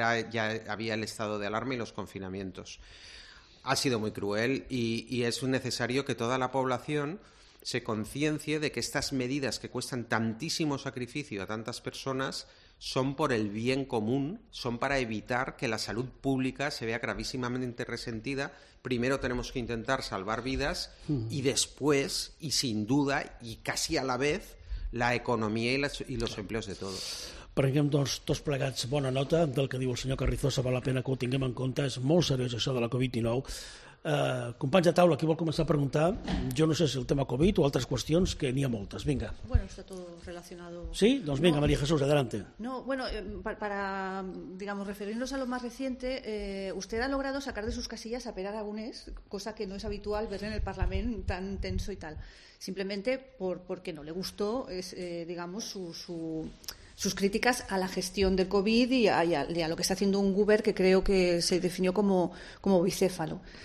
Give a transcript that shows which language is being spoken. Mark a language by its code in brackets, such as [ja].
[es] Ya había el estado de alarma y los confinamientos. Ha sido muy cruel, y es necesario que toda la población se conciencie de que estas medidas, que cuestan tantísimo sacrificio a tantas personas, son por el bien común, son para evitar que la salud pública se vea gravísimamente resentida. Primero tenemos que intentar salvar vidas, y después, y sin duda, y casi a la vez, la economía y los empleos de todos. [ca] Prenguem tots plegats bona nota del que diu el senyor Carrizosa, val la pena que ho tinguem en compte, és molt seriós això de la Covid-19. Companys de taula, qui vol començar a preguntar? Jo no sé si el tema Covid o altres qüestions, que n'hi ha moltes. Vinga. [es] Bueno, está todo relacionado. [ca] Sí, doncs vinga, no, María Jesús, [es] adelante. No, bueno, para digamos referirnos a lo más reciente, usted ha logrado sacar de sus casillas a Pere Aragonés, cosa que no es habitual ver en el Parlament tan tenso y tal. Simplemente porque no le gustó sus críticas a la gestión del COVID y a lo que está haciendo un Uber que creo que se definió como bicéfalo.